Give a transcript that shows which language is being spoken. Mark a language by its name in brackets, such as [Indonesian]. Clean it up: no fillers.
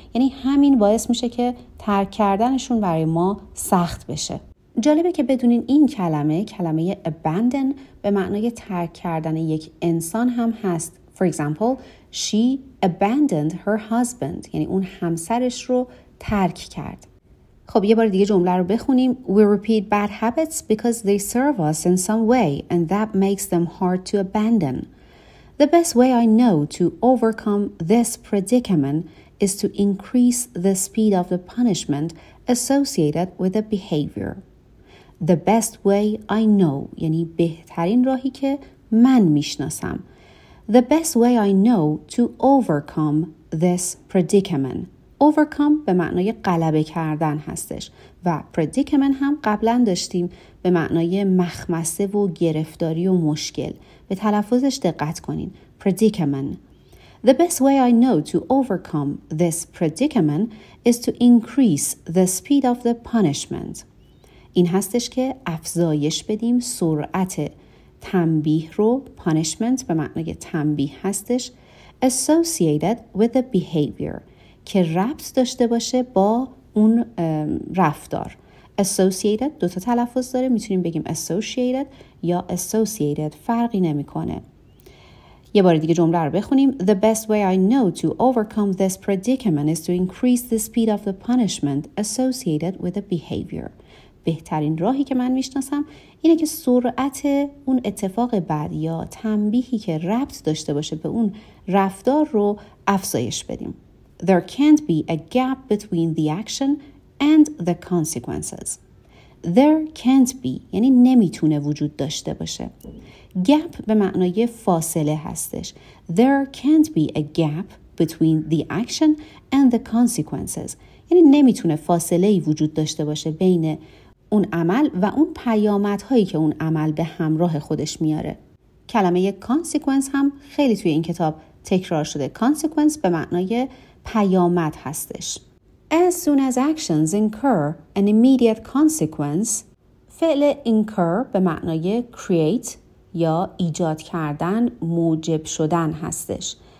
[Persian] یعنی همین باعث میشه که ترک کردنشون برای ما سخت بشه. جالبه که بدونین این کلمه، کلمه abandon به معنای ترک کردن یک انسان هم هست. [English] For example, she abandoned her husband. [Persian] یعنی اون همسرش رو ترک کرد. خب یه بار دیگه جمله رو بخونیم. [English] We repeat bad habits because they serve us in some way and that makes them hard to abandon. The best way I know to overcome this predicament is to increase the speed of the punishment associated with a behavior. The best way I know, [Persian] یعنی بهترین راهی که من میشناسم. [English] The best way I know to overcome this predicament. [Persian] Overcome به معنای غلبه کردن هستش و predicament هم قبلا داشتیم به معنای مخمصه و گرفتاری و مشکل. به تلفظش دقت کنین. Predicament. [English] The best way I know to overcome this predicament is to increase the speed of the punishment. [Persian] این هستش که افزایش بدیم سرعت تنبیه رو. [English] Punishment [Persian] به معنای تنبیه هستش. [English] Associated with the behavior. [Persian] که ربط داشته باشه با اون رفتار. Associated دوتا تلفظ داره. میتونیم بگیم associated یا associated. فرقی نمی کنه. یه بار دیگه جمله رو بخونیم. [English] The best way I know to overcome this predicament is to increase the speed of the punishment associated with the behavior. [Persian] بهترین راهی که من میشناسم اینه که سرعت اون اتفاق بد یا تنبیهی که ربط داشته باشه به اون رفتار رو افزایش بدیم. [English] There can't be a gap between the action and the consequences. There can't be [Persian] یعنی نمیتونه وجود داشته باشه. Gap به معنای فاصله هستش. [English] There can't be a gap between the action and the consequences. [Persian] یعنی نمیتونه فاصله‌ای وجود داشته باشه بین اون عمل و اون پیامدهایی که اون عمل به همراه خودش میاره. کلمه consequence هم خیلی توی این کتاب تکرار شده. Consequence به معنای پیامد هستش. [English] As soon as actions incur an immediate consequence, [Persian] فعل incur به معنای create یا ایجاد کردن، موجب شدن هستش.